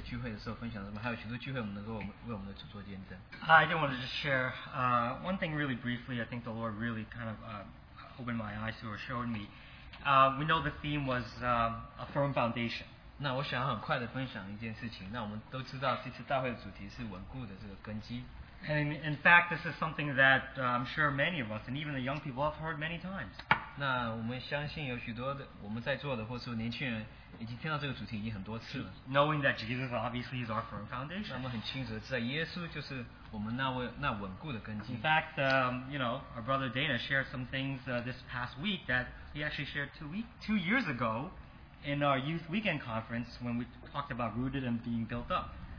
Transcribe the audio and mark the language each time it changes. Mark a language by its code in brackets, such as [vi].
[zh] 那对于那些没有机会来分享的弟兄姐妹们，我们还有其他的机会，就是在我们的小组，我们自己的聚会的时候分享，我们还有许多机会，我们能够为我们的主做见证。 [en] I just wanted to share one thing really briefly. I think the Lord really kind of opened my eyes to or showed me. We know the theme was a firm foundation. [zh] 那我想很快的分享一件事情。那我们都知道，这次大会的主题是稳固的这个根基。 [en] And in fact, this is something that I'm sure many of us, and even the young people, have heard many times. [zh] 那我们相信有许多的我们在座的，或是年轻人，已经听到这个主题已经很多次了。 [en] Knowing that Jesus obviously is our firm foundation. [zh] 那么很清楚的知道，耶稣就是我们那位那稳固的根基。 [en] In fact, you know, our brother Dana shared some things this past week that he actually shared two years ago in our youth weekend conference when we talked about rooted and being built up.